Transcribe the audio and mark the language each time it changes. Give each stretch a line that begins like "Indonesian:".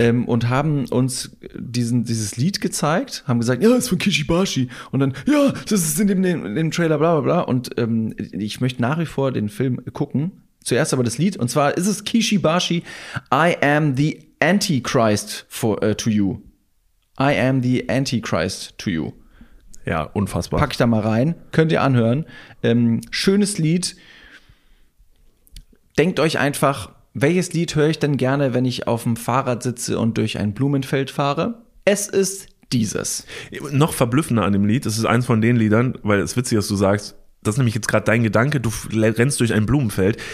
German: Und haben uns dieses Lied gezeigt, haben gesagt, ja, das ist von Kishi Bashi. Und dann, ja, das ist in dem Trailer, bla bla bla. Und ich möchte nach wie vor den Film gucken. Zuerst aber das Lied, und zwar ist es Kishi Bashi, I am the Antichrist to you.
English: I am the Antichrist to you.
German: Ja, unfassbar. Pack ich da mal rein, könnt ihr anhören. Schönes Lied. Denkt euch einfach, welches Lied höre ich denn gerne, wenn ich auf dem Fahrrad sitze und durch ein Blumenfeld fahre? Es ist dieses. Noch verblüffender an dem Lied, es ist eins von den Liedern, weil es witzig ist, dass du sagst, das ist nämlich jetzt gerade dein Gedanke, du rennst durch ein Blumenfeld.